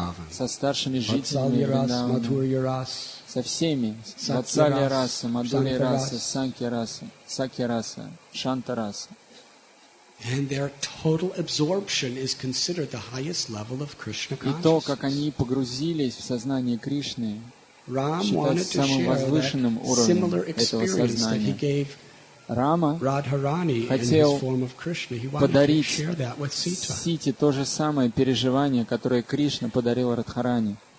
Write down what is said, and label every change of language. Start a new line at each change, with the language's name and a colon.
Russian: Со старшими жителями Вриндавана. Со всеми. С Ватсалья раса, Мадхурья раса, Санкья раса, Сакья раса, Шанта раса.
English: And their total absorption is considered the highest level of Krishna consciousness.
Russian: И то, как они погрузились в сознание Кришны, считается самым возвышенным уровнем этого сознания. Рама хотел подарить Сите то же самое переживание, которое Кришна подарил Радхарани.